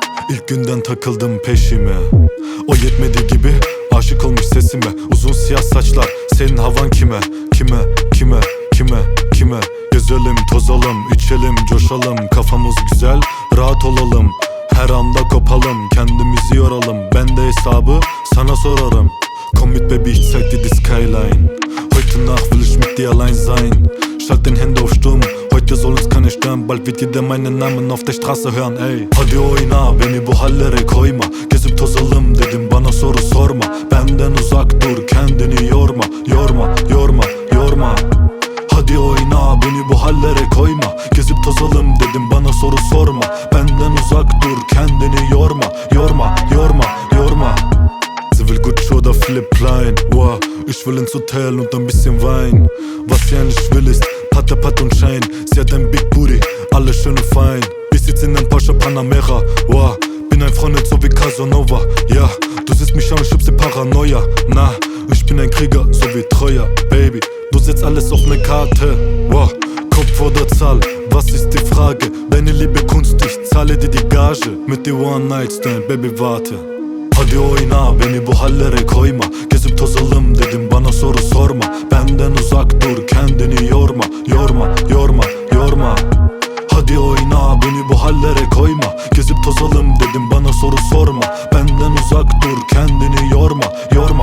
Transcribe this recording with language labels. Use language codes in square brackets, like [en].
[tr] İlk günden takıldım peşime, o yetmedi gibi aşık olmuş sesime. Uzun siyah saçlar, senin havan kime, kime, kime, kime, kime. Gezelim, tozalım, içelim, coşalım, kafamız güzel, rahat olalım. Her anda kopalım, kendimizi yoralım. Ben de hesabı sana sorarım. [de] Komm mit Baby, ich zeig dir die Skyline. Heute Nacht will ich mit dir allein sein. Schalt den Handy auf Stumm, heute soll uns keine stören. Bald wird jeder meinen Namen auf der Straße hören, ey. [tr] Hadi oyna, beni bu hallere koyma. Gezip tozalım dedim, bana soru sorma. Benden uzak dur, kendini yorma, yorma, yorma, yorma. Hadi oyna, beni bu hallere koyma. Gezip tozalım dedim, bana soru sorma. Benden uzak dur, kendini yorma, yorma, yorma, yorma. [de] Will Gucci oder Flip Line, wow. Ich will ins Hotel und ein bisschen Wein. Was sie eigentlich will ist Patte, Patte und Schein. Sie hat ein Big Booty, alles schön und fein. Ich sitz in einem Porsche Panamera, wow. Bin ein Freund so wie Casanova, ja. Du siehst mich an, schubst die Paranoia. Na, ich bin ein Krieger, so wie Treuer. Baby, du setzt alles auf ne Karte, wow. Kopf oder Zahl, was ist die Frage? Deine Liebe Kunst, ich zahle dir die Gage. Mit dir One Night Stand, Baby, warte. [tr] Hadi oyna, beni bu hallere koyma. Gezip tozalım dedim, bana soru sorma. Benden uzak dur, kendini yorma, yorma, yorma, yorma. Hadi oyna, beni bu hallere koyma. Gezip tozalım dedim, bana soru sorma. Benden uzak dur, kendini yorma, yorma.